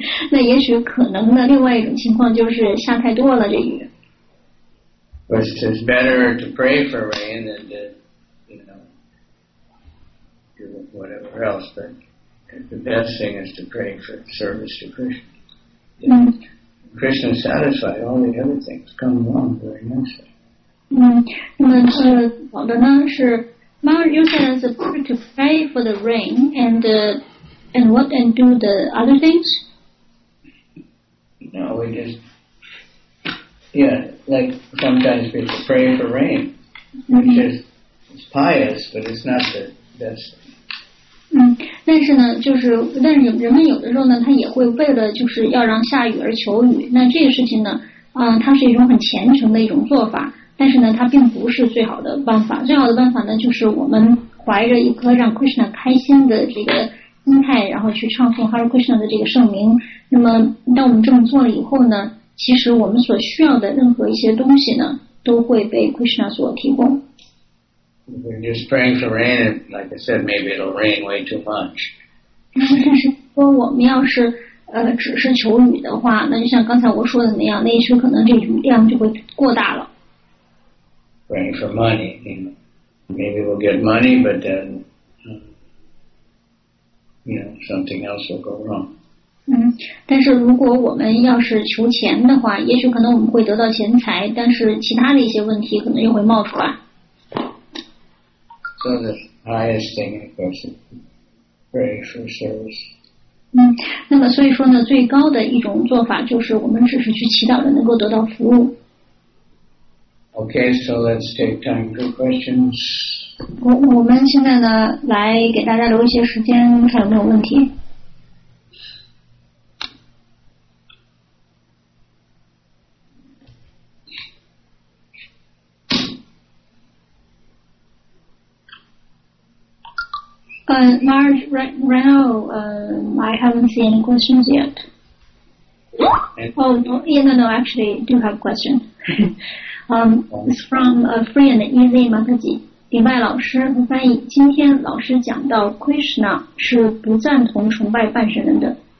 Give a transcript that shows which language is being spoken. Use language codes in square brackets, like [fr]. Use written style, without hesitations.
[zh] 那也许可能的另外一种情况就是下太多了这雨。 [en] But it's better to pray for rain than to, you know, do whatever else. But the best thing is to pray for service to Krishna. Krishna is satisfied. All the other things come along very nicely. [zh] 好的呢是 [en] Mother, you said it's better to pray for the rain and what and do the other things? No, we just, like sometimes people pray for rain, which is, it's pious, but it's not the best. [zh] 但是呢，就是，但是人们有的时候呢，他也会为了就是要让下雨而求雨，那这个事情呢，它是一种很虔诚的一种做法，但是呢，它并不是最好的办法。最好的办法呢，就是我们怀着一颗让 Krishna 开心的这个心态，然后去唱诵 Hare Krishna 的这个圣名。那么，当我们这么做了以后呢，其实我们所需要的任何一些东西呢，都会被 Krishna 所提供。 [en] We're just praying for rain, and like I said, maybe it'll rain way too much. [zh] 但是说我们要是只是求雨的话，那就像刚才我说的那样，那一时可能这雨量就会过大了。 [en] Praying for money, maybe we'll get money, but then. Something else will go wrong. [zh] 但是如果我们要是求钱的话，也许可能我们会得到钱财，但是其他的一些问题可能又会冒出来。 [en] So the highest thing, of course, is praying for service. [zh] 嗯，那么所以说呢，最高的一种做法就是我们只是去祈祷的，能够得到服务。 [en] Okay, so let's take time for questions. [zh] 我们现在呢，来给大家留一些时间，看有没有问题。 [en] Marge, right now, I haven't seen any questions yet. No, actually, I do have a question. It's from a friend, Easy Mataji. [zh] 礼拜老师和翻译，今天老师讲到 Krishna 是不赞同崇拜半神人的。